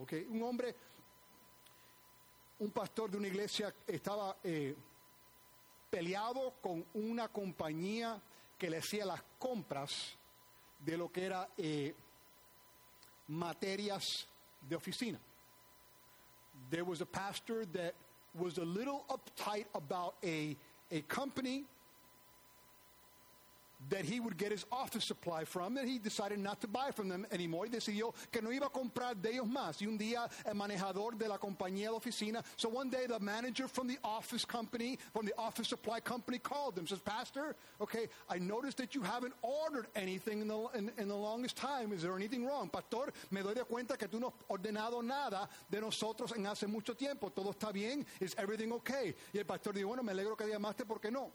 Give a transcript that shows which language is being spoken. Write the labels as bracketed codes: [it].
[es] Okay, un hombre, un pastor de una iglesia estaba peleado con una compañía que le hacía las compras de lo que era materias de oficina. [en] There was a pastor that was a little uptight about a company that he would get his office supply from, and he decided not to buy from them anymore. [es] Y decidió que no iba a comprar de ellos más. Y un día, el manejador de la compañía de oficina, [en] so one day the manager from the office company, from the office supply company, called him. Says, Pastor, okay, I noticed that you haven't ordered anything in the longest time. Is there anything wrong? [es] Pastor, me doy de cuenta que tú no has ordenado nada de nosotros en hace mucho tiempo. ¿Todo está bien? [en] Is everything okay? [es] Y el pastor dijo, bueno, me alegro que llamaste porque no.